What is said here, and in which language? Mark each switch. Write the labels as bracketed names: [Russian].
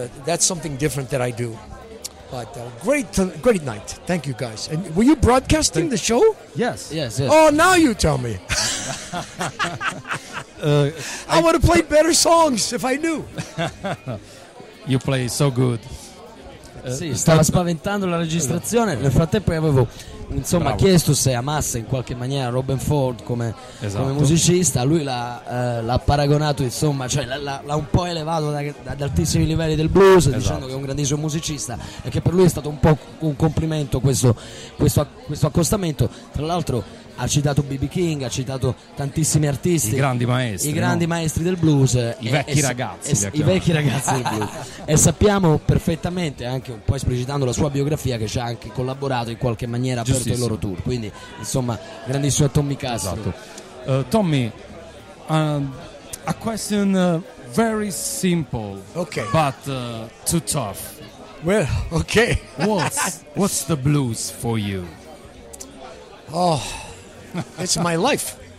[English] That's something different that I do. But great night. Thank you, guys. And were you broadcasting the show? Yes. Yes. Yes. Oh, now you tell me. I would have played better songs if I knew. You play so good. [Italian] Sì, stava spaventando la registrazione. Nel frattempo io avevo, insomma, bravo, chiesto se amasse in qualche maniera Robin Ford come, esatto, come musicista. Lui l'ha paragonato, insomma, cioè l'ha un po' elevato ad altissimi livelli del blues, esatto, dicendo che è un grandissimo musicista e che per lui è stato un po' un complimento questo accostamento. Tra l'altro ha citato B.B. King, ha citato tantissimi artisti, i grandi maestri del blues, i vecchi ragazzi del blues. E sappiamo perfettamente, anche un po' esplicitando la sua biografia, che ci ha anche collaborato in qualche maniera, aperto il loro tour, quindi insomma grandissimo a Tommy Castro. Esatto. [English] Tommy, a question very simple, okay, but too tough. Well, okay. what's the blues for you? Oh, it's my life.